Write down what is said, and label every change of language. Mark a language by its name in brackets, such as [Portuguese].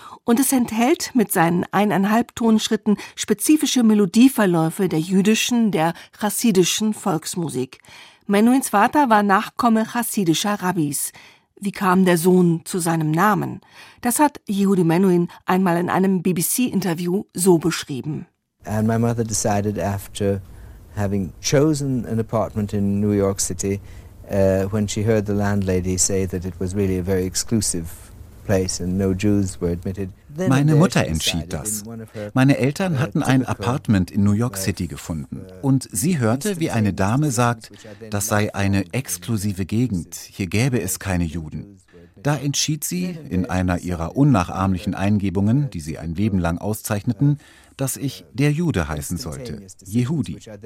[German] Und es enthält mit seinen 1,5 Tonschritten spezifische Melodieverläufe der jüdischen, der chassidischen Volksmusik. Menuhins Vater war Nachkomme chassidischer Rabbis. Wie kam der Sohn zu seinem Namen? Das hat Yehudi Menuhin einmal in einem BBC-Interview so beschrieben. [English] And my mother decided after having chosen an apartment in New York City, when she heard the landlady say that it was really a very exclusive place and no Jews were admitted. [German] Meine Mutter entschied das. Meine Eltern hatten ein Apartment in New York City gefunden. Und sie hörte, wie eine Dame sagt, das sei eine exklusive Gegend, hier gäbe es keine Juden. Da entschied sie, in einer ihrer unnachahmlichen Eingebungen, die sie ein Leben lang auszeichneten, dass ich der Jude heißen sollte, Yehudi.